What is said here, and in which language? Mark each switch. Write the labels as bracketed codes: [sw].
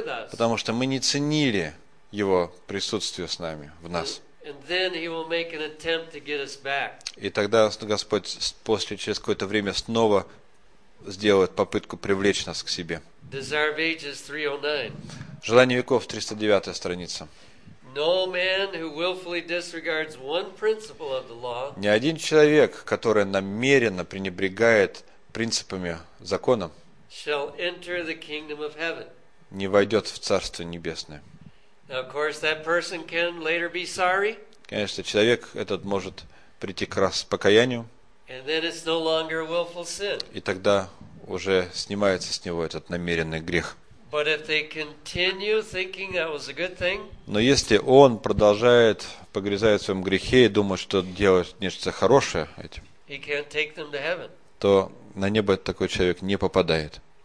[ru] Потому что мы не ценили его присутствие с нами, в нас. [en] And then he will make an attempt to get us back. [ru] И тогда Господь после через какое-то время снова сделает попытку привлечь нас к себе. [en] Desire of Ages 309. [ru] Желание веков 309 страница. [en] No man who willfully disregards one principle of the law. [ru] Ни один человек, который намеренно пренебрегает принципами закона, [en] shall enter the kingdom of heaven. [ru] Не войдет в Царство Небесное. [en] Of course, that person can later be sorry. [ru] Конечно, человек этот может прийти к покаянию. [en] And then it's no longer a willful sin. [ru] И тогда уже снимается с него этот намеренный грех. [en] But if they continue thinking that was a good thing. [ru] Но если он продолжает погрязать в своем грехе и думает, что делает нечто хорошее этим, [en] he can't take them to heaven. [ru] То на небо такой человек не попадает.